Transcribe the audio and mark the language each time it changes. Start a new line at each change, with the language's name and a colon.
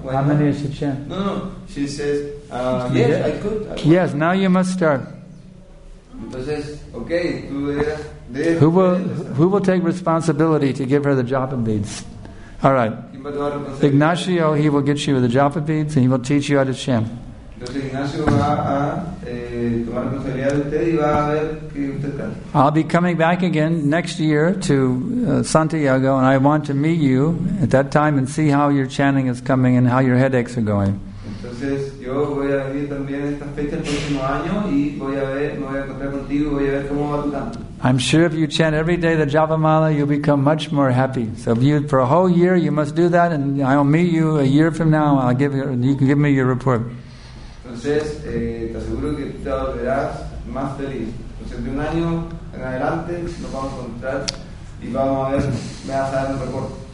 English: Why How not? Many is she chant? No, no, she says, yes, I could. Yes, now you must start.
Spanish: Entonces, okay, tú eras de...
English: Who will take responsibility to give her the japa beads? All right. Ignacio, he will get you the japa beads and he will teach you how to chant.
Spanish: Entonces Ignacio va a tomar responsabilidad de usted y va a ver que usted canta.
English: I'll be coming back again next year to Santiago and I want to meet you at that time and see how your chanting is coming and how your headaches are going.
Spanish: Entonces yo voy a venir también esta fecha el próximo año y voy a ver, me voy a encontrar contigo y voy a ver cómo va tu canto.
English: I'm sure if you chant every day the Japa Mala, you'll become much more happy. So if you, for a whole year, you must do that and I'll meet you a year from now. I'll give you, you can give me your report.
Spanish: Entonces, te aseguro que te volverás más feliz. Entonces, de un año en adelante, nos vamos a encontrar y vamos a ver, me vas a dar un reporte.